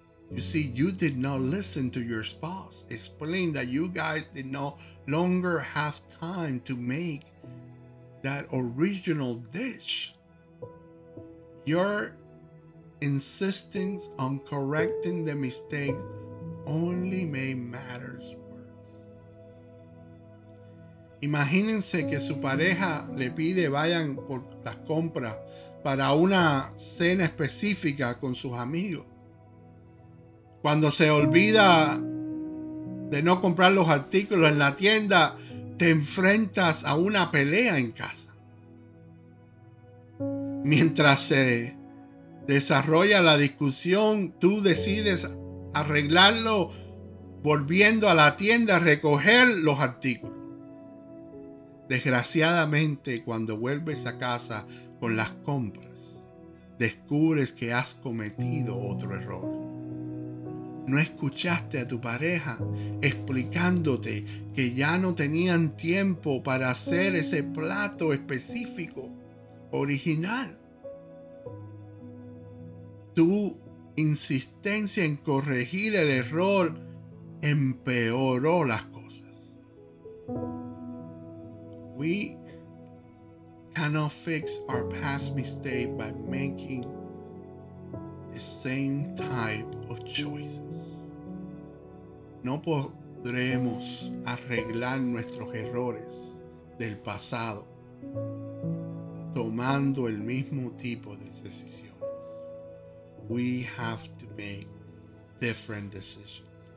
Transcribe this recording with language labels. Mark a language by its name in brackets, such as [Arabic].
[English] You see, you did not listen to your spouse explain that you guys did no longer have time to make that original dish. Your insistence on correcting the mistake only made matters worse. [Spanish] Imagínense que su pareja le pide vayan por las compras para una cena específica con sus amigos. Cuando se olvida de no comprar los artículos en la tienda, te enfrentas a una pelea en casa. Mientras se desarrolla la discusión, tú decides arreglarlo volviendo a la tienda a recoger los artículos. Desgraciadamente, cuando vuelves a casa con las compras, descubres que has cometido otro error. No escuchaste a tu pareja explicándote que ya no tenían tiempo para hacer ese plato específico, original. Tu insistencia en corregir el error empeoró las cosas. [English] We cannot fix our past mistake by making the same type of choices. [Spanish] No podremos arreglar nuestros errores del pasado tomando el mismo tipo de decisiones. [English] We have to make different decisions.